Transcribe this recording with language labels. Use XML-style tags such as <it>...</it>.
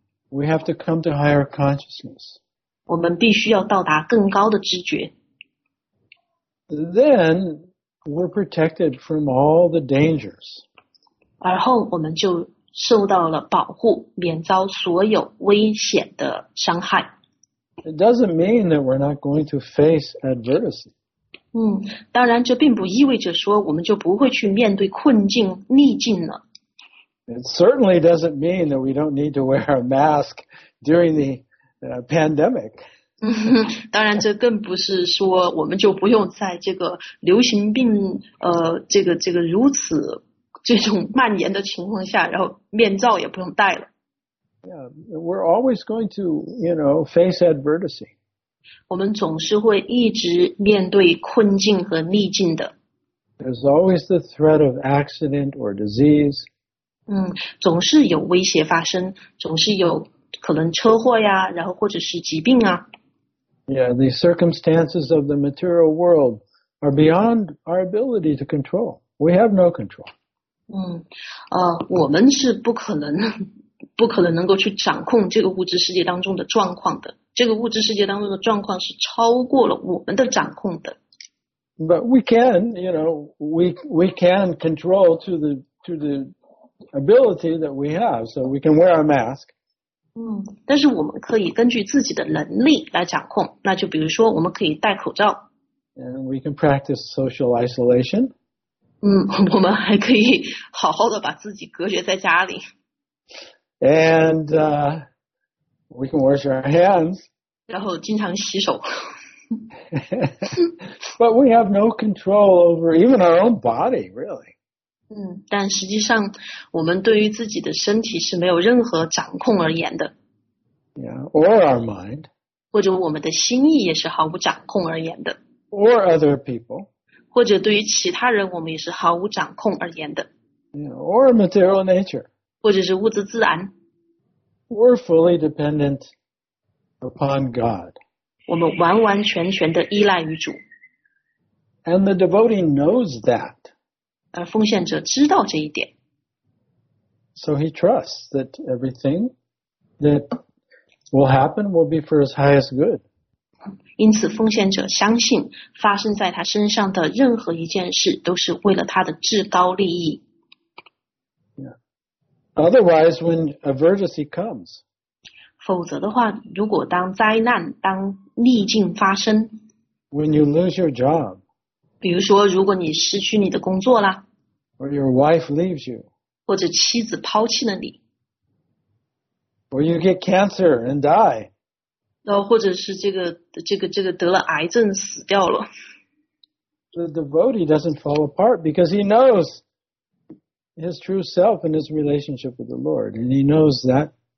<en>We have to come to higher consciousness.</en> <zh>我们必须要到达更高的知觉。</zh> <en>Then we're protected from all the dangers.</en> <zh>而后我们就受到了保护，免遭所有危险的伤害。</zh> <en>It doesn't mean that we're not going to face adversity.</en> <zh>当然这并不意味着说我们就不会去面对困境、逆境了。</zh> <en>It certainly doesn't mean that we don't need to wear a mask during the pandemic.</en> <zh>当然，这更不是说我们就不用在这个流行病这个如此这种蔓延的情况下，然后面罩也不用戴了。</zh> <en>Yeah, we're always going to, you know, face adversity.</en> <zh>我们总是会一直面对困境和逆境的。</zh> <en>There's always the threat of accident or disease.</en> <zh>总是有威胁发生，总是有可能车祸呀，然后或者是疾病啊。</zh> <en>Yeah, the circumstances of the material world are beyond our ability to control. We have no control.</en> <zh>我们是不可能能够去掌控这个物质世界当中的状况的。这个物质世界当中的状况是超过了我们的掌控的。</zh> <en>But we can, you know, we can control to the ability that we have. So we can wear our mask.</en> <zh>但是我们可以根据自己的能力来掌控。那就比如说，我们可以戴口罩。</zh> <en>And we can practice social isolation.</en> <zh>我们还可以好好的把自己隔绝在家里。</zh> <en>And we can wash our hands.</en> <zh>然后经常洗手。</zh> <en>But we have no control over even our own body, really.</en> <zh>但实际上我们对于自己的身体是没有任何掌控而言的。</zh> <en>Yeah, or our mind.</en> <zh>或者我们的心意也是毫无掌控而言的。</zh> <en>Or other people.</en> <zh>或者对于其他人我们也是毫无掌控而言的。</zh> <en>Yeah, or material nature.</en> <zh>或者是物质自然。</zh> <en>We're fully dependent upon God.</en> <zh>我们完完全全的依赖于主。</zh> <en>And the devotee knows that.</en> <zh>而奉献者知道这一点。</zh> <en>So he trusts that everything that will happen will be for his highest good.</en> <zh>因此奉献者相信发生在他身上的任何一件事都是为了他的至高利益。</zh> <en>Yeah. Otherwise, when adversity comes,</en> <zh>否则的话，如果当灾难、当逆境发生</zh> <en>，When you lose your job，</en> <zh>比如说，如果你失去你的工作啦</zh> <en>，Or your wife leaves you，</en> <zh>或者妻子抛弃了你</zh> <en>，Or you get cancer and die，</en> <zh>然后或者是这个得了癌症死掉了</zh> <en>，The devotee doesn't fall apart because he knows his true self and his relationship with the Lord， and he knows that.</en>